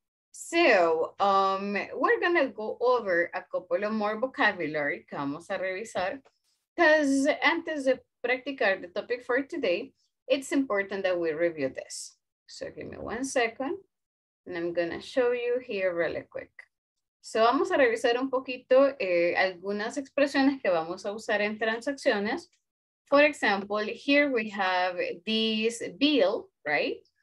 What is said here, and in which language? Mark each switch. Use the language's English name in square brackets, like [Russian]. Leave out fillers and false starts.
[English] So we're going to go over a couple of more vocabulary [Spanish] que vamos a revisar, [English] because [Spanish] antes de practicar [English] the topic for today, it's important that we review this. So give me 1 second, and I'm going to show you here really quick. [Spanish] So vamos a revisar un poquito algunas expresiones que vamos a usar en transacciones. [English] For example, here we have this bill, right?